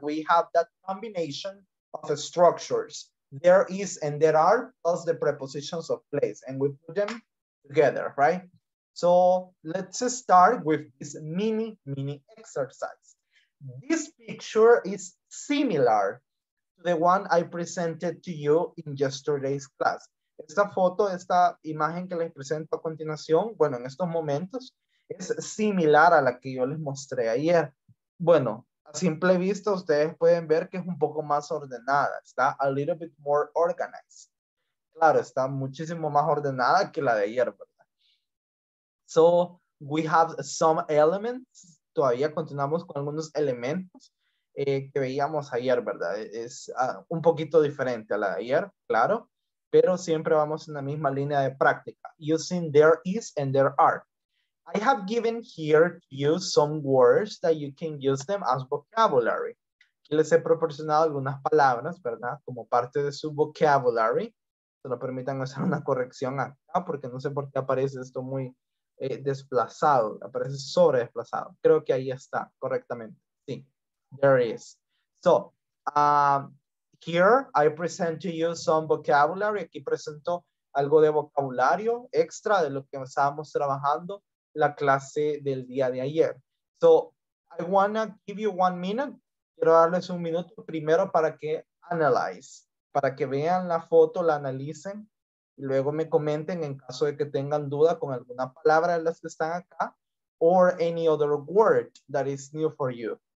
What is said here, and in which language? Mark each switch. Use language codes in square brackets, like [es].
[en] We have that combination of the structures, there is and there are, plus the prepositions of place, and we put them together, right? So let's start with this mini exercise. This picture is similar to the one I presented to you in yesterday's class. [es] Esta foto, esta imagen que les presento a continuación, bueno, en estos momentos, es similar a la que yo les mostré ayer. Bueno, a simple vista, ustedes pueden ver que es un poco más ordenada. Está [en] a little bit more organized. [es] Claro, está muchísimo más ordenada que la de ayer, ¿verdad? [en] So, we have some elements. [es] Todavía continuamos con algunos elementos que veíamos ayer, ¿verdad? Es un poquito diferente a la de ayer, claro. Pero siempre vamos en la misma línea de práctica. [en] Using there is and there are. I have given here to you some words that you can use them as vocabulary. [es] Aquí les he proporcionado algunas palabras, ¿verdad? Como parte de su vocabulary solo permitan hacer una corrección acá, porque no sé por qué aparece esto muy desplazado, aparece sobre desplazado. Creo que ahí está correctamente. Sí, there is. [en] So, here I present to you some vocabulary. [es] Aquí presento algo de vocabulario extra de lo que estábamos trabajando la clase del día de ayer. [en] So, I want to give you 1 minute. [es] Quiero darles un minuto primero para que analice, para que vean la foto, la analicen, y luego me comenten en caso de que tengan duda con alguna palabra de las que están acá, [en] or any other word that is new for you.